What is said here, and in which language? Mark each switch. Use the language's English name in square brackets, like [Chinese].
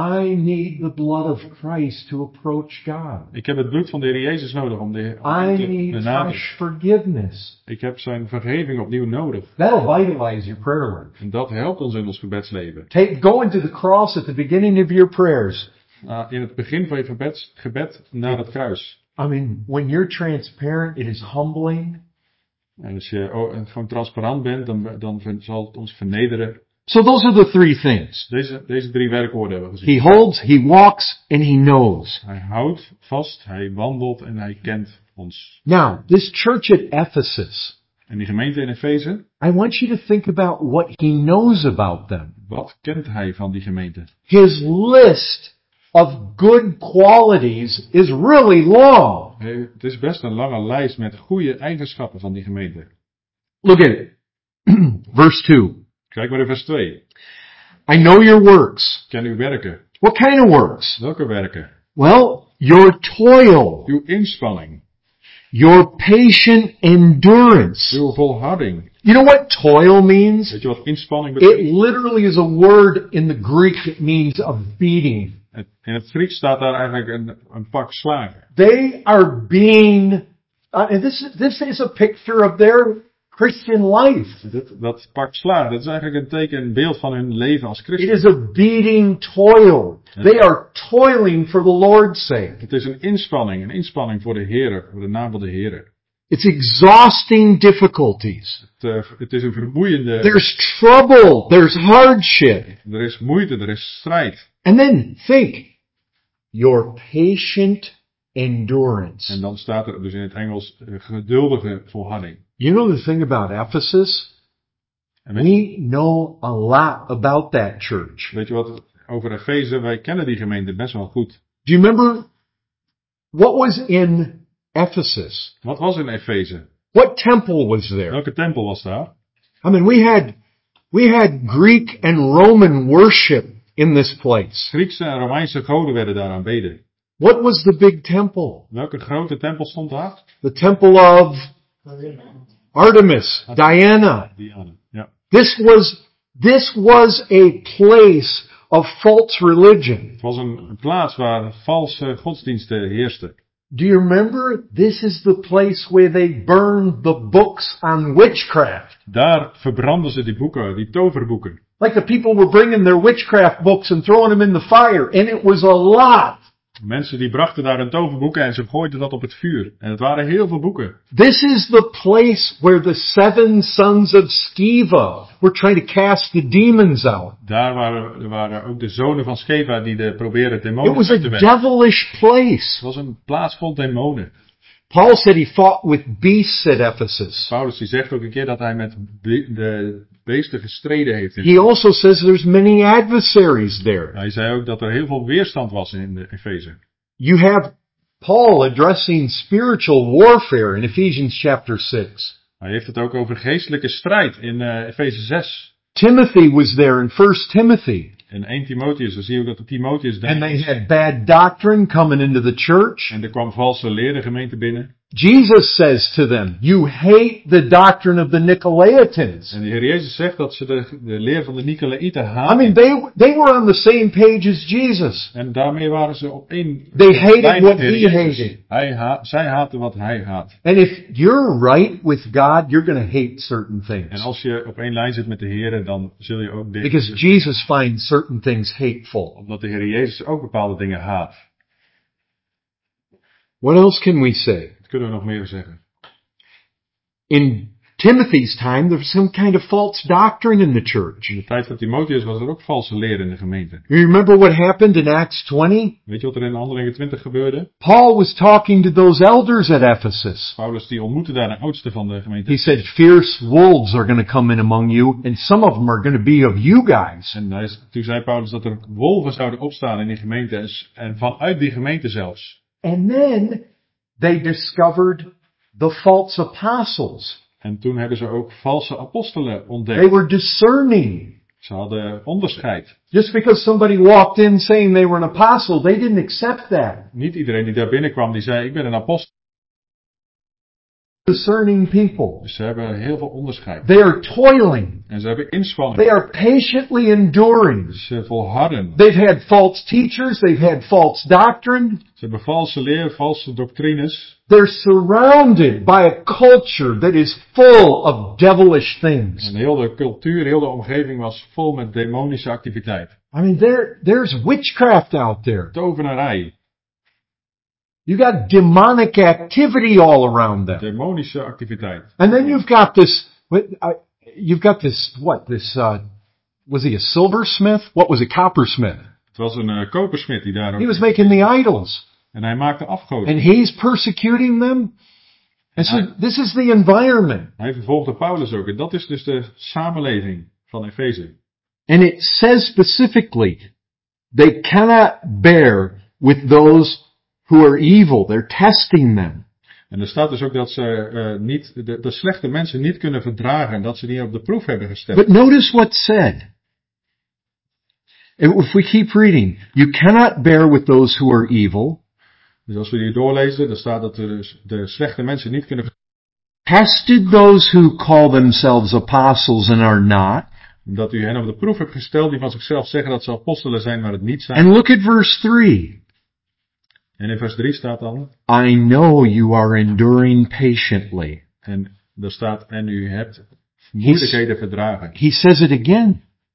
[English] I need the blood of Christ to approach God. [Dutch] Ik heb het bloed van de Heer Jezus nodig om de Heer te benaderen. [English] I need fresh forgiveness. [Dutch] Ik heb zijn vergeving opnieuw nodig. [English] That'll vitalize your prayer life. [Dutch] En dat helpt ons in ons gebedsleven. [English] Going to the cross at the beginning of your prayers. [Dutch] In het begin van je gebed naar het kruis. [English] I mean, when you're transparent, it is humbling. [Dutch] En als je gewoon transparant bent, dan zal het ons vernederen. [English] So those are the three things. [Dutch] Deze drie werkwoorden hebben we gezien. [English] He holds, he walks, and he knows. [Dutch] Hij houdt vast, hij wandelt en hij kent ons. [English] Now, this church at Ephesus. [Dutch] En die gemeente in Efeze. [English] I want you to think about what he knows about them. [Dutch] Wat kent hij van die gemeente? [English] His list of good qualities is really long. [Dutch] Hey, het is best een lange lijst met goede eigenschappen van die gemeente. [English] Look at it. Verse 2. [Dutch] Kijk maar in vers 2. [English] I know your works. [Dutch] Ken uw werken. [English] What kind of works? [Dutch] Welke werken? [English] Well, your toil. [Dutch] Uw inspanning. [English] Your patient endurance. [Dutch] Uw volharding. [English] You know what toil means? [Dutch] Weet je wat inspanning betekent? [English] It literally is a word in the Greek that means a beating. [Dutch] In het Grieks staat daar eigenlijk een pak slagen. [English] They are being, this is a picture of their Christian life. [Dutch] Dat pak slagen, dat is eigenlijk een teken, een beeld van hun leven als Christen. [English] It is a beating toil. They are toiling for the Lord's sake. [Dutch] Het is een inspanning voor de Heere, voor de naam van de Heere. [English] It's exhausting difficulties. [Dutch] Het is een vermoeiende. [English] There's trouble. There's hardship. [Dutch] Er is moeite. Er is strijd. [English] And then think, your patient endurance. [Dutch] En dan staat er dus in het Engels geduldige volharding. [English] You know the thing about Ephesus? We know a lot about that church. [Dutch] Weet je wat over Efeze? Wij kennen die gemeente best wel goed. [English] Do you remember what was in Ephesus? [Dutch] Wat was in Efeze? [English] What temple was there? [Dutch] Welke tempel was daar? [English] I mean, we had Greek and Roman worship in this place. [Dutch] Griekse en Romeinse goden werden daar aanbeden. [English] What was the big temple? [Dutch] Welke grote tempel stond daar? [English] The temple of Artemis, Diana. [Dutch] Diana. Ja. [English] This was a place of false religion. [Dutch] Het was een plaats waar valse godsdiensten heersten. [English] Do you remember? This is the place where they burned the books on witchcraft. [Dutch] Daar verbranden ze die boeken, die toverboeken. [English] Like the people were bringing their witchcraft books and throwing them in the fire, and it was a lot. [Dutch] Mensen die brachten daar hun toverboeken en ze gooiden dat op het vuur, en het waren heel veel boeken. [English] This is the place where the seven sons of Sceva were trying to cast the demons out. [Dutch] Daar waren ook de zonen van Sceva die probeerden demonen uit te werken. [English] It was a devilish place. [Dutch] Het was een plaats vol demonen. [English] Paul said he fought with beasts at Ephesus. [Dutch] Paulus die zegt ook een keer dat hij met de beesten gestreden heeft. [English] He also says there's many adversaries there. [Dutch] Hij zei ook dat er heel veel weerstand was in de Efeze. [English] You have Paul addressing spiritual warfare in Ephesians chapter 6. [Dutch] Hij heeft het ook over geestelijke strijd in Efeze 6. [English] Timothy was there in 1 Timothy. [Dutch] In 1 Timotheus, dan zie je ook dat de Timotheus daar. [English] And they had bad doctrine coming into the church. [Dutch] En er kwam valse leer de gemeente binnen. [English] Jesus says to them, you hate the doctrine of the Nicolaitans. [Dutch] En de Heer Jezus zegt dat ze de leer van de Nicolaïten haten. [English] I mean, they were on the same page as Jesus. [Dutch] En daarmee waren ze op één. [English] They hated what he hated. [Dutch] Zij haten wat hij haat. [English] And if you're right with God, you're going to hate certain things. [Dutch] En als je op één lijn zit met de Heer, dan zul je ook dit. [English] Because Jesus finds certain things hateful. [Dutch] Omdat de Heer Jezus ook bepaalde dingen haat. [English] What else can we say? [Dutch] Kunnen we nog meer zeggen? [English] In Timothy's time, there was some kind of false doctrine in the church. [Dutch] In de tijd van Timotheus was er ook valse leer in de gemeente. [English] You remember what happened in Acts 20? [Dutch] Weet je wat er in Handelingen 20 gebeurde? [English] Paul was talking to those elders at Ephesus. [Dutch] Paulus die ontmoette daar de oudste van de gemeente. [English] He said, fierce wolves are going to come in among you, and some of them are going to be of you guys. [Dutch] En toen zei Paulus dat er wolven zouden opstaan in die gemeente, en vanuit die gemeente zelfs. [English] And then they discovered the false apostles. [Dutch] En toen hebben ze ook valse apostelen ontdekt. [English] They were discerning. [Dutch] Ze hadden onderscheid. [English] Just because somebody walked in saying they were an apostle, they didn't accept that. [Dutch] Niet iedereen die daar binnenkwam, die zei ik ben een apostel. [English] Discerning people. [Dutch] Dus ze hebben heel veel onderscheid. [English] They are toiling. [Dutch] En ze hebben inspanning. [English] They are patiently enduring. [Dutch] Ze volharden. [English] They've had false teachers, they've had false doctrine. [Dutch] Ze hebben valse leer, valse doctrines. [English] They're surrounded by a culture that is full of devilish things. [Dutch] En heel de cultuur, heel de omgeving was vol met demonische activiteit. [English] I mean, there's witchcraft out there. [Dutch] Tovenarij. [English] You got demonic activity all around them. [Dutch] Demonische activiteit. [English] And then coppersmith? [Dutch] Het was een kopersmith die daar. [English] He was making the idols. [Dutch] En hij maakte afgoden. [English] And he's persecuting them. And so this is the environment. [Dutch] Hij vervolgde Paulus ook. En dat is dus de samenleving van Efeze. [English] And it says specifically, they cannot bear with those who are evil. They're testing them. [Dutch] En er staat dus ook dat ze de slechte mensen niet kunnen verdragen en dat ze niet op de proef hebben gesteld. [English] But notice what's said. If we keep reading, you cannot bear with those who are evil. [Dutch] Dus als we hier doorlezen, dan staat dat de slechte mensen niet kunnen. [English] Tested those who call themselves apostles and are not. [Dutch] Dat u hen op de proef hebt gesteld die van zichzelf zeggen dat ze apostelen zijn, maar het niet zijn. [English] And look at verse 3. [Dutch] En in vers 3 staat dan. [English] I know you are enduring patiently. [Dutch] En daar staat, en u hebt moeilijkheden verdragen. [English] He says it again.